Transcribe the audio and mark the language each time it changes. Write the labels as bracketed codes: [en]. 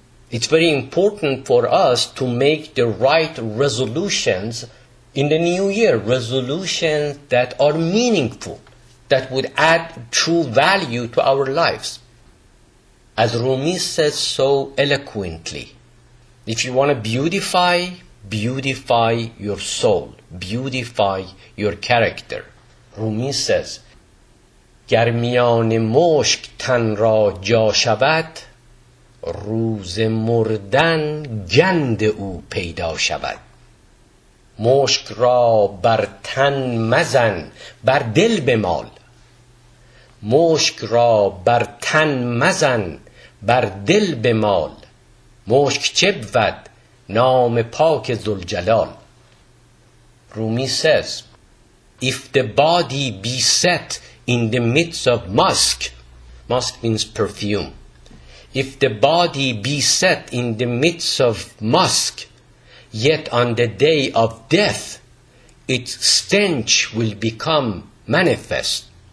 [en] It's very important for us to make the right resolutions in the new year, resolutions that are meaningful, that would add true value to our lives. As Rumi says so eloquently, if you want to beautify, beautify your soul, beautify your character. Rumi says, [fa] گر میان مشک تن را جا شود روز مردن گند او پیدا شود. مشک را بر تن مزن بر دل بمال. مشک را بر تن مزن بر دل بمال. مشک چه بود نام پاک ذوالجلال. [en] رومی says, if the body be set in the midst of musk, musk means perfume, if the body be set in the midst of musk, yet on the day of death, its stench will become manifest.